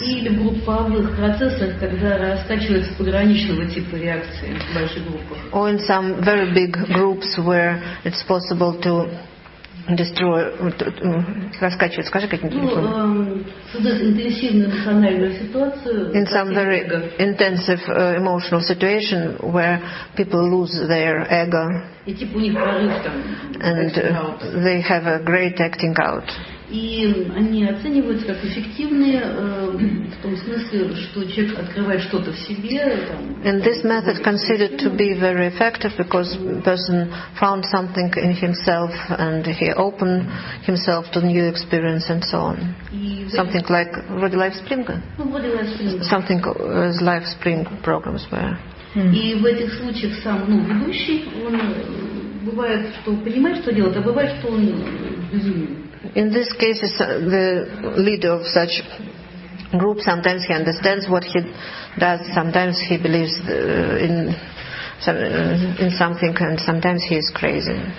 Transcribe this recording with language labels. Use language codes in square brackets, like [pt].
[ru] Или в групповых процессах, когда раскачивается пограничного типа реакции в больших группах. [en] Or in some very big groups where it's possible to destroy, [ru] раскачивать, скажи каким-то словом. Ну, создать интенсивную эмоциональную ситуацию. [en] In some very intensive emotional situation where people lose their ego. [ru] И типа у них прорыв там. [en] And they have a great acting out. [ru] И они оцениваются как эффективные в том смысле, что человек открывает что-то в себе. [en] And this method considered to be very effective because person found something in himself and he opened himself to new experience and so on. Something like Rudy Life Spring. Something as Life Spring programs were. [ru] И в этих случаях сам ведущий, он бывает, что понимает, что делает, а бывает, что он безумен. [en] In this case, the leader of such group sometimes he understands what he does, sometimes he believes in in something, and sometimes he is crazy.